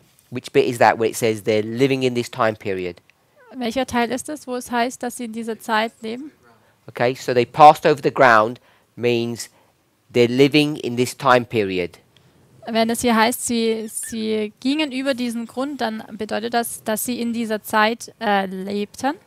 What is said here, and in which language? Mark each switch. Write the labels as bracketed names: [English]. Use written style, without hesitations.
[English] Which bit is that where it says they're living in this time period? [German] Welcher Teil ist das, wo es heißt, dass sie in dieser Zeit leben? [English] Okay, so they passed over the ground means they're living in this time period. [German] Wenn es hier heißt, sie gingen über diesen Grund, dann bedeutet das, dass sie in dieser Zeit lebten.